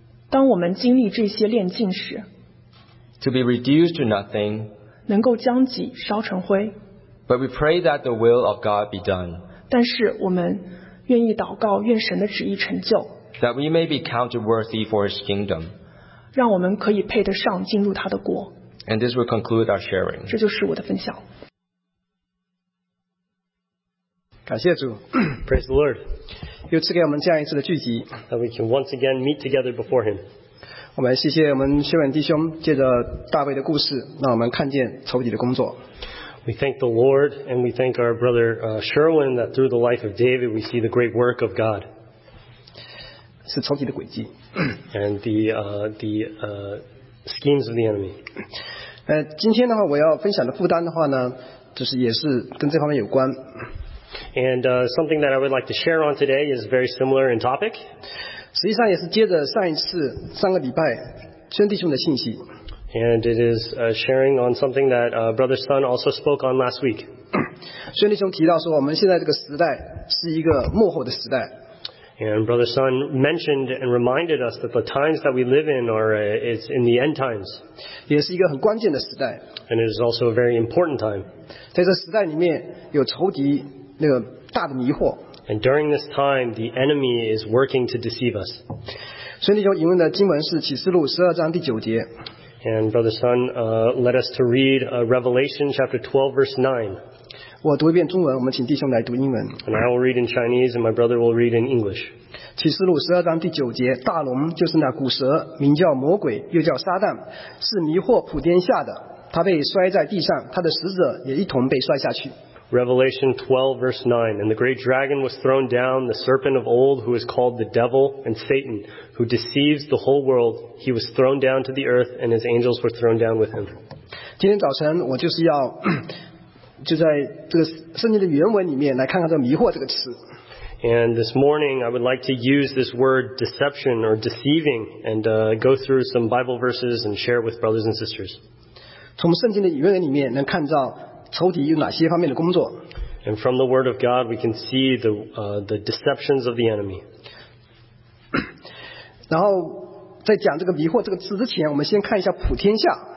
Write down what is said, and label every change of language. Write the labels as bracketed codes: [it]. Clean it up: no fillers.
[zh] 当我们经历这些炼净时， [en] To be reduced to nothing, [zh] 能够将己烧成灰。 [en] But we pray that the will of God be done. [zh] 但是我们愿意祷告，愿神的旨意成就。 [en] That we may be counted worthy for His kingdom. [zh] 让我们可以配得上进入他的国。 [en] And this will conclude our sharing. [zh] 这就是我的分享。感谢主， [en] Praise the Lord. [zh] 又赐给我们这样一次的聚集。 [en] That we can once again meet together before Him. [zh] 我们来谢谢我们薛远弟兄，借着大卫的故事，让我们看见仇敌的工作。 [en] We thank the Lord and we thank our brother Sherwin that through the life of David we see the great work of God. [zh] 是仇敌的诡计。 [en] And the schemes of the enemy. [zh] 今天的话，我要分享的负担的话呢，就是也是跟这方面有关。 [en] And something that I would like to share on today is very similar in topic. [zh] 实际上也是接着上一次上个礼拜宣弟兄的信息。 [en] And it is sharing on something that Brother Sun also spoke on last week. [zh] 孙弟兄提到说，我们现在这个时代是一个末后的时代。 [en] And Brother Sun mentioned and reminded us that the times that we live in are it's in the end times. [zh] 也是一个很关键的时代。 [en] And it is also a very important time. [zh] 在这时代里面有仇敌那个大的迷惑。 [en] And during this time, the enemy is working to deceive us. [zh] 孙弟兄引用的经文是启示录十二章第九节。 [en] And Brother Sun led us to read Revelation chapter 12, verse 9. [zh] 我读一遍中文，我们请弟兄来读英文。 [en] And I will read in Chinese, and my brother will read in English. [zh] 启示录十二章第九节，大龙就是那古蛇，名叫魔鬼，又叫撒旦，是迷惑普天下的。他被摔在地上，他的使者也一同被摔下去。 [en] Revelation 12 verse 9, and the great dragon was thrown down, the serpent of old, who is called the devil and Satan, who deceives the whole world. He was thrown down to the earth, and his angels were thrown down with him. [zh] 今天早晨我就是要就在这个圣经的原文里面来看看这个迷惑这个词。 [en] And this morning, I would like to use this word deception or deceiving and go through some Bible verses and share with brothers and sisters. [zh] 从圣经的原文里面能看到仇敌有哪些方面的工作。 [en] And from the word of God, we can see the deceptions of the enemy. [zh] 然后在讲这个迷惑这个词之前，我们先看一下普天下。